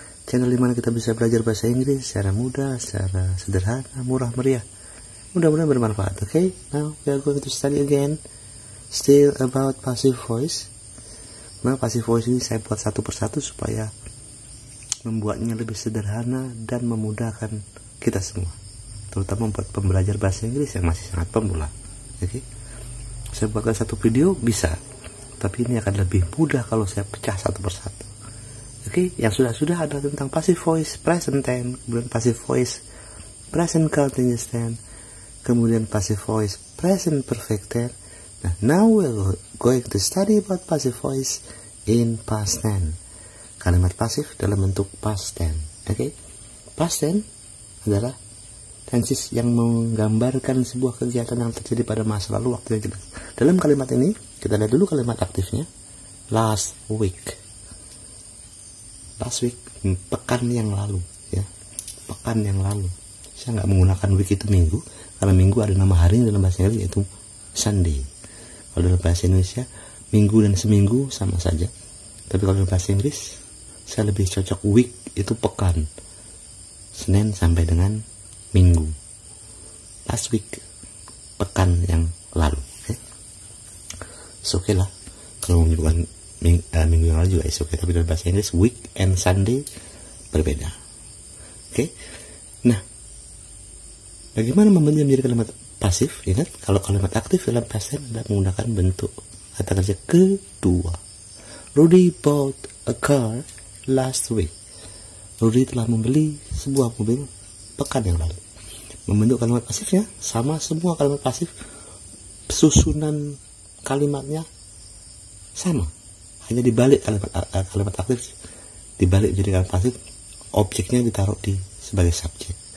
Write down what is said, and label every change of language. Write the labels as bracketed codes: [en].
[id] Channel dimana kita bisa belajar bahasa Inggris secara mudah, secara sederhana, murah meriah. Mudah-mudahan bermanfaat. [en] Okay? Now we are going to study again, still about passive voice. [id] Nah, passive voice ini saya buat satu persatu supaya membuatnya lebih sederhana dan memudahkan kita semua, terutama buat pembelajar bahasa Inggris yang masih sangat pemula. [en] Okay? [id] Saya buatkan satu video bisa, tapi ini akan lebih mudah kalau saya pecah satu persatu. Okay? Yang sudah-sudah adalah tentang passive voice present tense, kemudian passive voice present continuous tense, kemudian passive voice present perfect tense. Nah, [en] now we're going to study about passive voice in past tense. [id] Kalimat pasif dalam bentuk past tense. [en] Okay? [id] Past tense adalah tenses yang menggambarkan sebuah kegiatan yang terjadi pada masa lalu waktu yang jelas. Dalam kalimat ini, kita lihat dulu kalimat aktifnya. [en] Last week. Last week, [id] pekan yang lalu. Ya. Pekan yang lalu. Saya nggak menggunakan week itu minggu, karena minggu ada nama hari dalam bahasa Inggris, yaitu Sunday. Kalau dalam bahasa Indonesia, minggu dan seminggu sama saja. Tapi kalau dalam bahasa Inggris, saya lebih cocok week itu pekan. Senin sampai dengan minggu. [en] Last week, [id] pekan yang lalu. [en] It's okay [id] lah. Kalau menyebutkan minggu yang lalu juga [en] it's okay. [id] Tapi dalam bahasa Inggris, [en] week and Sunday [id] berbeda. Okay? Nah, bagaimana membentuknya menjadi kalimat pasif? Ingat, kalau kalimat aktif dalam past tense adalah menggunakan bentuk kata kerja kedua. [en] Rudy bought a car last week. [id] Rudy telah membeli sebuah mobil pekan yang lalu. Membentuk kalimat pasifnya, sama semua kalimat pasif, susunan kalimatnya sama. Hanya dibalik kalimat aktif, dibalik menjadi kalimat pasif, objeknya ditaruh di sebagai subjek.